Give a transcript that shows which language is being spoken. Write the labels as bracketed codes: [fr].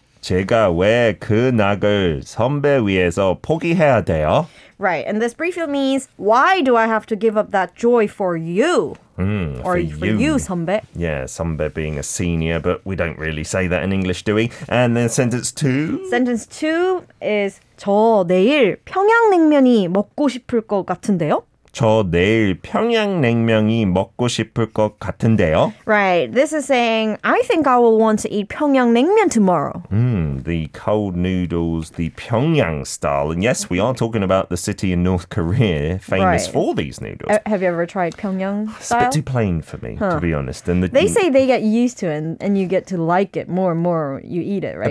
[ko] 제가 왜 그 낙을 선배 위해서 포기해야 돼요? [en] Right, and this briefly means, why do I have to give up that joy for you? For you, [ko] 선배. [en] Yeah, 선배 being a senior, but we don't really say that in English, do we? And then sentence two? Sentence two is, [ko] 저 내일 평양냉면이 먹고 싶을 것 같은데요? 저 내일 평양냉면이 먹고 싶을 것 같은데요? [en] Right, this is saying, I think I will want to eat 평양냉면 tomorrow. The cold noodles, the Pyongyang style. And yes, we are talking about the city in North Korea, famous for these noodles. Have you ever tried Pyongyang style? It's a bit too plain for me, to be honest. And they say they get used to it and you get to like it more and more you eat it, right?